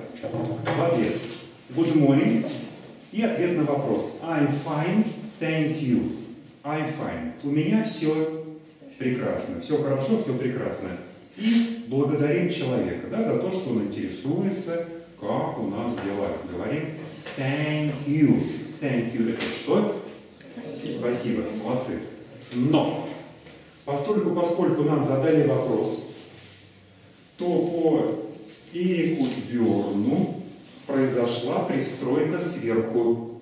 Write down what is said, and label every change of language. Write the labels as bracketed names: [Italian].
[Russian] В ответ: [English] good morning. [Russian] И ответ на вопрос: [English] I'm fine, thank you. I'm fine. [Russian] У меня все прекрасно. Все хорошо, все прекрасно. И благодарим человека, да, за то, что он интересуется, как у нас дела. Говорим [English] thank you. Thank you [Russian] — это что? Спасибо. Молодцы. Но поскольку нам задали вопрос, то по Эрику Бёрну произошла пристройка сверху.